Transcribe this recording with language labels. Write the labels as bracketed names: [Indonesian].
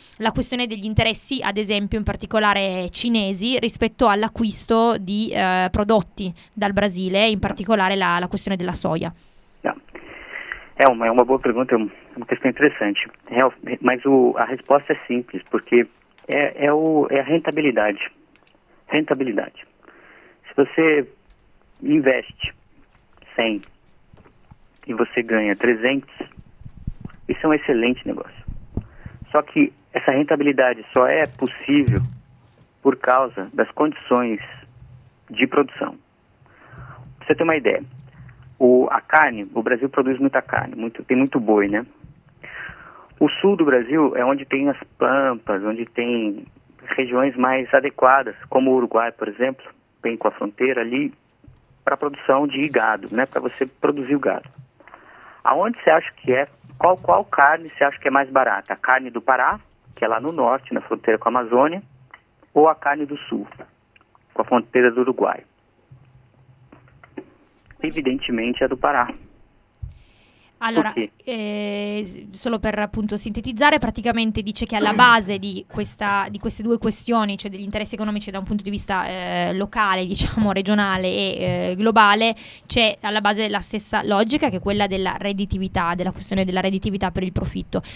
[Italian] la questione degli interessi, ad esempio in particolare cinesi, rispetto all'acquisto di prodotti dal Brasile, in particolare la questione della soia. È una buona domanda, è una questione interessante, ma la risposta è semplice, perché è la rentabilità. [Portuguese] Se você investe 100 e você ganha 300, isso é um excelente negócio. Só que essa rentabilidade só é possível por causa das condições de produção. Pra você ter uma ideia, a carne, o Brasil produz muita carne, tem muito boi, né? O sul do Brasil é onde tem as pampas, onde tem regiões mais adequadas, como o Uruguai, por exemplo, bem com a fronteira ali, para produção de gado, né? Para você produzir o gado. Aonde você acha que é? Qual carne você acha que é mais barata? A carne do Pará, que é lá no norte, na fronteira com a Amazônia, ou a carne do sul, com a fronteira do Uruguai? Evidentemente é do Pará. [Italian] Allora, solo per appunto sintetizzare, praticamente dice che alla base di queste due questioni, cioè degli interessi economici da un punto di vista locale, diciamo regionale e globale, c'è alla base la stessa logica, che è quella della redditività, della questione della redditività per il profitto.